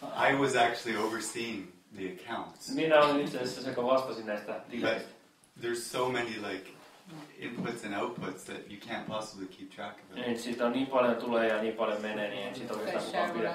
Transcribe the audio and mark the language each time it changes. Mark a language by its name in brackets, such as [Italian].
[English] I was actually overseeing the accounts. [Finnish] Minä olin itse asiassa se, joka vastasi näistä tileistä. [English] There's so many like inputs and outputs that you can't possibly keep track of. [Finnish] Et siitä on niin paljon tulee ja niin paljon menee, niin siitä on oikeastaan kukaan pidä